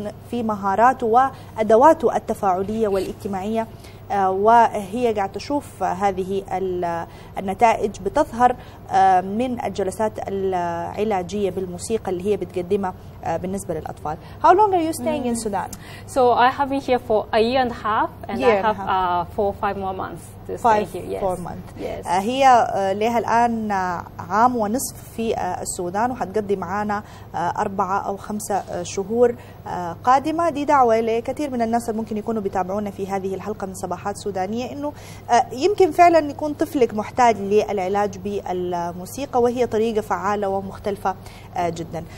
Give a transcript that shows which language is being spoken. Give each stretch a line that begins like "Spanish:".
Arabic: في مهارات وأدواته التفاعلية والاجتماعية وهي قاعدة تشوف هذه النتائج بتظهر من الجلسات العلاجية بالموسيقى اللي هي بتقدمها بالنسبة للأطفال.
English: How long are you staying in Sudan? So I have been here for a year and a half and I have four or five more months to stay here. Yes. 4 months. Yes.
Arabic: هي لها الآن عام ونصف في السودان وحتقضي معانا أربعة أو خمسة شهور قادمة. دي دعوة لكثير من الناس اللي ممكن يكونوا بيتابعونا في هذه الحلقة من صباحات سودانية إنه يمكن فعلا يكون طفلك محتاج للعلاج بالموسيقى وهي طريقة فعالة ومختلفة جدا.